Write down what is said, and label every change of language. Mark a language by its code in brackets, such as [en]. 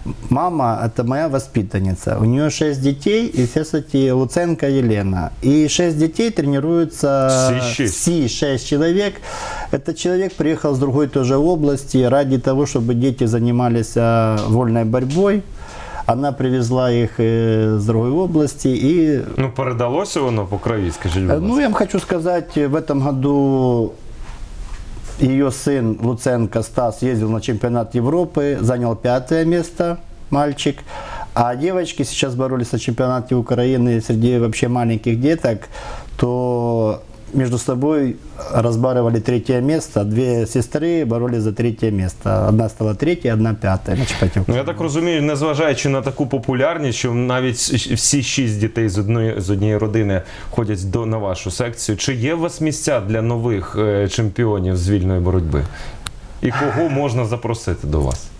[ru] Мама – это моя воспитанница. У нее 6 детей, и все, кстати, Луценко Елена. И 6 детей тренируются… Все 6 человек. Этот человек приехал с другой тоже области ради того, чтобы дети занимались вольной борьбой. [uk] Вона привезла їх з другої області і... Ну, передалося воно по крові, скажіть, будь ласка. Ну, я вам хочу сказати, в цьому году її син Луценко Стас їздив на чемпіонат Європи, зайняв 5-е місце, мальчик. А дівчатки зараз боролися на чемпіонаті України серед взагалі маленьких діток, то [ru] между собой разбаривали третье место. Две сестры боролись за третье место. Одна стала третья, одна пятая. [uk] Значит, ну, я так розумію, незважаючи на таку популярність, що навіть всі шість дітей з однієї родини ходять на вашу секцію. Чи є у вас місця для нових чемпіонів з вільної боротьби? І кого можна запросити до вас?